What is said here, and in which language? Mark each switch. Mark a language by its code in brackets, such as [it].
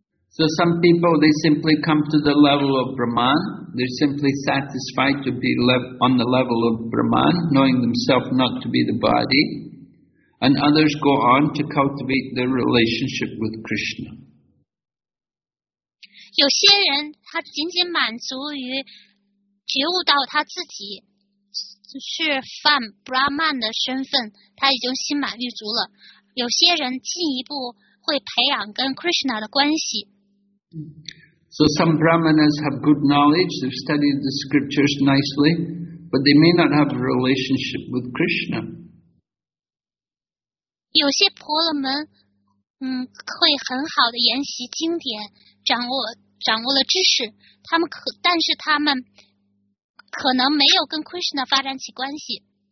[en] So some people, they simply come to the level of Brahman. They're simply satisfied to be on the level of Brahman, knowing themselves not to be the body. And others go on to cultivate their relationship with Krishna. [zh] 有些人他仅仅满足于觉悟到他自己是梵 Brahman 的身份，他已经心满意足了。有些人进一步会培养跟 Krishna 的关系。 [en] So some Brahmanas have good knowledge, they've studied the scriptures nicely, but they may not have a relationship with Krishna. [zh] 有些婆罗门，会很好的研习经典，掌握了知识，但是他们可能没有跟 Krishna 发展起关系。